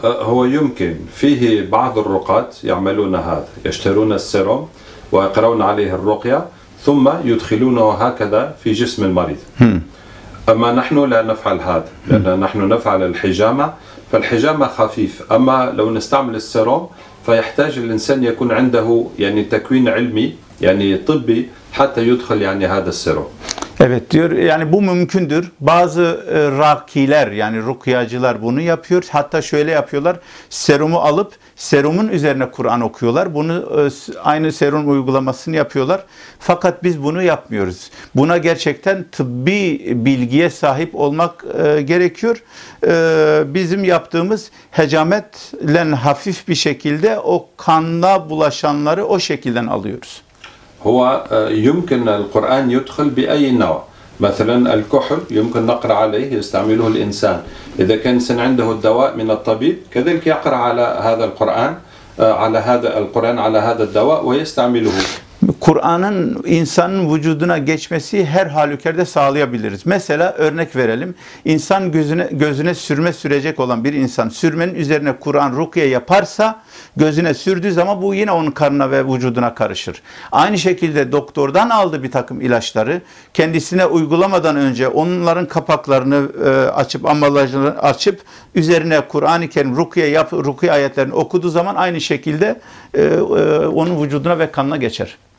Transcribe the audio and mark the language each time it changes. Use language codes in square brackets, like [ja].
[ar] هو يمكن فيه بعض الرقاة يعملون هذا يشترون السيروم ويقرون عليه الرقية ثم يدخلونه هكذا في جسم المريض. أما نحن لا نفعل هذا لأن نحن نفعل الحجامة فالحجامة خفيف أما لو نستعمل السيروم فيحتاج الإنسان يكون عنده يعني تكوين علمي يعني طبي حتى يدخل يعني هذا السيروم. [tr] Evet diyor yani bu mümkündür. Bazı rakiler yani rukiyacılar bunu yapıyor. Hatta şöyle yapıyorlar. Serumu alıp serumun üzerine Kur'an okuyorlar. Bunu aynı serum uygulamasını yapıyorlar. Fakat biz bunu yapmıyoruz. Buna gerçekten tıbbi bilgiye sahip olmak gerekiyor. Bizim yaptığımız hecametle hafif bir şekilde o kanla bulaşanları o şekilden alıyoruz. [ar] هو يمكن القرآن يدخل بأي نوع مثلاً الكحول يمكن نقرأ عليه يستعمله الإنسان إذا كان سن عنده الدواء من الطبيب كذلك يقرأ على هذا القرآن على هذا القرآن على هذا الدواء ويستعمله [tr] Kur'an'ın insanın vücuduna geçmesi her halükarda sağlayabiliriz. Mesela örnek verelim. İnsan gözüne sürme sürecek olan bir insan sürmenin üzerine Kur'an rukiye yaparsa gözüne sürdüğü zaman bu yine onun karnına ve vücuduna karışır. Aynı şekilde doktordan aldı bir takım ilaçları. Kendisine uygulamadan önce onların kapaklarını açıp ambalajını açıp üzerine Kur'an-ı Kerim rukiye ayetlerini okuduğu zaman aynı şekilde onun vücuduna ve kanına geçer.